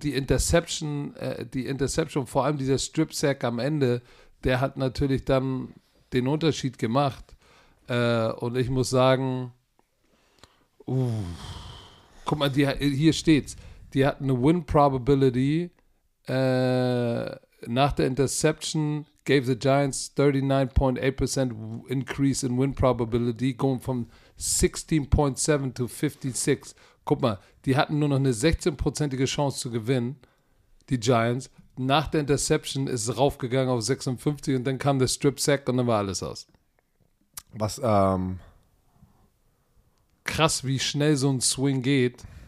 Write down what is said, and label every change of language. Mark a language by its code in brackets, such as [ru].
[de] Und die Interception, vor allem dieser Strip-Sack am Ende, der hat natürlich dann den Unterschied gemacht. Und ich muss sagen, guck mal, hier steht's. Die hatten eine Win-Probability. Nach der [en] Interception gave the Giants 39.8% increase in Win-Probability, going from 16.7 to 56. [de] Guck mal, die hatten nur noch eine 16-prozentige Chance zu gewinnen, die Giants. Nach der Interception ist es raufgegangen auf 56 und dann kam der Strip-Sack und dann war alles aus. Was, krass, wie schnell so ein Swing geht.